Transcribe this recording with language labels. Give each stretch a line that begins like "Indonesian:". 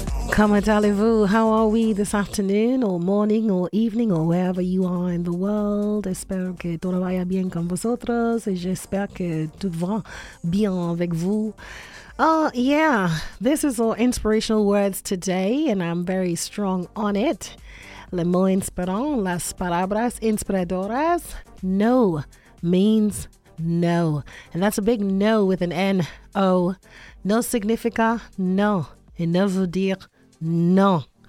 French: Comment allez-vous?
English: How are we this afternoon, or morning, or evening, or wherever you are in the world?
Spanish: Espero que todo vaya bien con vosotros.
French: Et j'espère que tout va bien avec vous.
English: Yeah, this is our inspirational words today, and I'm very strong on it.
French: Le mot inspirant,
Spanish: las palabras inspiradoras.
English: No means no. And that's a big no with an N-O.
Spanish: No significa no.
French: Et ne veut dire no.